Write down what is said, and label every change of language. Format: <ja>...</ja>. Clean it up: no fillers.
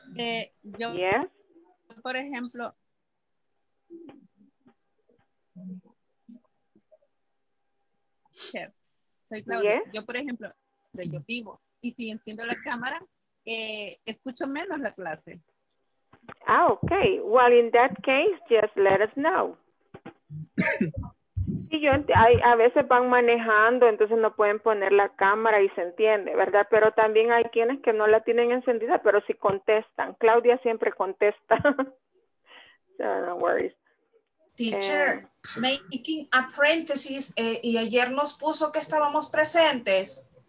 <es>Yes. Por ejemplo... Soy Claudia. Yes. Yo, por ejemplo, yo vivo y si enciendo la cámara, escucho menos la clase.</es> <en>Ah, okay. Well, in that case, just let us know.</en> <es>Sí, yo hay, a veces van manejando, entonces no pueden poner la cámara y se entiende, ¿verdad? Pero también hay quienes que no la tienen encendida, pero sí contestan. Claudia siempre contesta.</es> <en>So, no worries.</en> <es>Teacher,</es> <en>making a parenthesis,</en> <es>y ayer nos puso que estábamos presentes.</es>